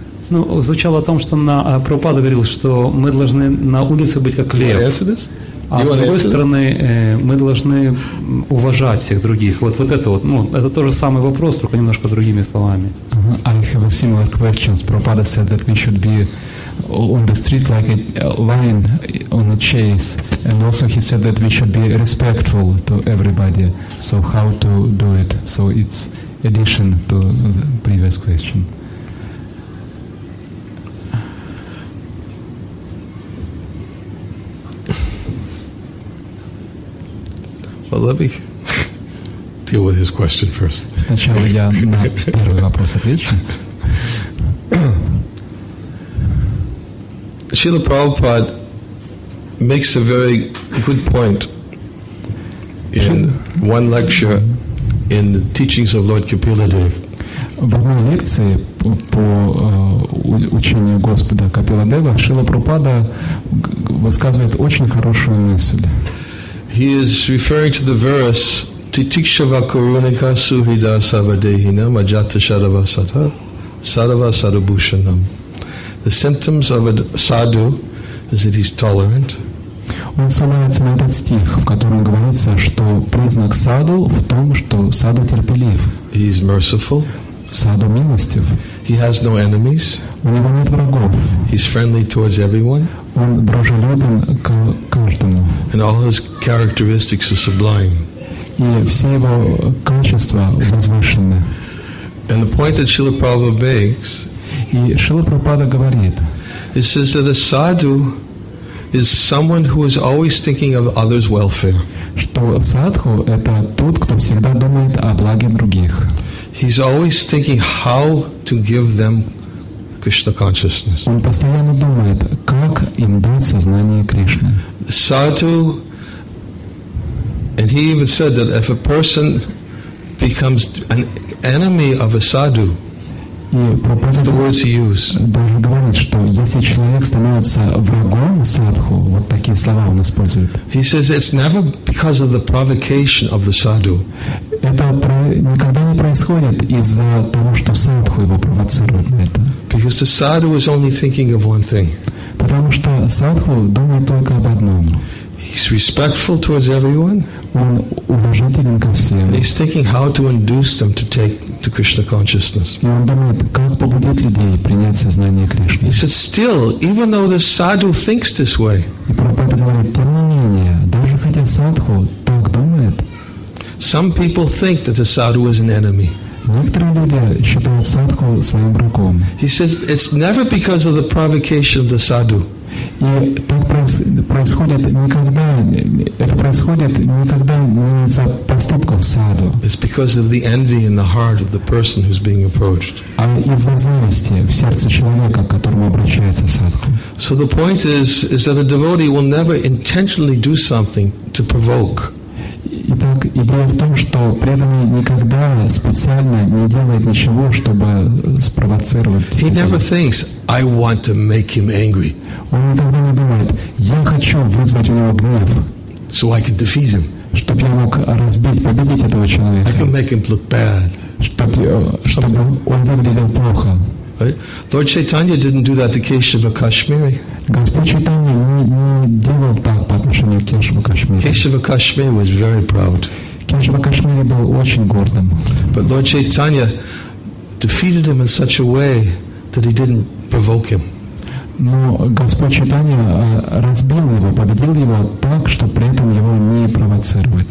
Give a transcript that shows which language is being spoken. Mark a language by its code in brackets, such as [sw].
[ru] Ну, звучало о том, что на Прабхупада говорил, что мы должны на улице быть как лев. А с другой стороны, мы должны уважать всех других. Вот это вот, ну, это тот же самый вопрос, только немножко другими словами. [en] I have a similar question. Prabhupada said that we should be on the street like a lion on a chase. And also he said that we should be respectful to everybody. So how to do it? So it's addition to the previous question. Well, let me deal with his question first. [ru] Сначала я на первый вопрос отвечу. [en] Srila Prabhupada makes a very good point in one lecture in the teachings of Lord Kapiladev. [ru] В одной лекции по учению Господа Капиладева Шрила Прабхупада высказывает очень хорошую мысль. [en] He is referring to the verse [sa] Titikshava Karunika Suhida Savadehinam Ajata Sharavasata Sarava Sarabhushanam. [en] The symptoms of a sadhu is that he's tolerant. [ru] Он ссылается на этот стих, в котором говорится, что признак саду в том, что саду терпелив. [en] He's merciful. [ru] Саду милостив. [en] He has no enemies. [ru] У него нет врагов. [en] He's friendly towards everyone. [ru] Он дружелюбен к каждому. [en] And all his characteristics are sublime. [ru] И все его качества возвышены. [en] And the point that Srila Prabhupada makes, [ru] и Шрила Прабхупада говорит, [en] he says that a sadhu is someone who is always thinking of others' welfare. [ru] Что садху — это тот, кто всегда думает о благе других. [en] He's always thinking how to give them Krishna consciousness. [ru] Он постоянно думает, как им дать сознание Кришны. [en] Sadhu, and he even said that if a person becomes an enemy of a sadhu, that's the words he used. [ru] Даже говорит, что если человек становится врагом садху, вот такие слова он использует. [en] He says it's never because of the provocation of the sadhu. [ru] Это никогда не происходит из-за того, что садху его провоцирует на это. [en] Because the sadhu is only thinking of one thing. [ru] Потому что садху думает только об одном. [en] He's respectful towards everyone. [ru] Он уважителен ко всем. [en] And he's thinking how to induce them to take to Krishna consciousness. [ru] И он думает, как побудить людей принять сознание Кришны. [en] He said, still, even though the sadhu thinks this way. [ru] И Прабхупада говорит, тем не менее, даже хотя садху так думает. [en] Some people think that the sadhu is an enemy. [ru] Некоторые люди считают садху своим врагом. [en] He says, it's never because of the provocation of the sadhu. [ru] И так происходит никогда. Это происходит никогда не из-за поступков саду. [en] It's because of the envy in the heart of the person who's being approached. [ru] А из-за зависти в сердце человека, к которому обращается садху. [en] So the point is that a devotee will never intentionally do something to provoke. [ru] Итак, идея в том, что преданный никогда специально не делает ничего, чтобы спровоцировать. [en] He never thinks, I want to make him angry. [ru] Он никогда не думает, я хочу вызвать у него гнев, [en] so I can defeat him. [ru] Чтобы я мог разбить, победить этого человека. [en] I can make him look bad. [ru] Чтобы он выглядел плохо. [en] Right? Lord Chaitanya didn't do that to Keshava Kashmiri. [ru] Господь Чайтанья не делал так по отношению к Кешава Кашмири. [en] Кешава Кашмири was very proud. [ru] Кешава Кашмири был очень гордым. [en] But Lord Chaitanya defeated him in such a way that he didn't provoke him. [ru] Но Господь Чайтанья разбил его, победил его так, что при этом его не провоцировать.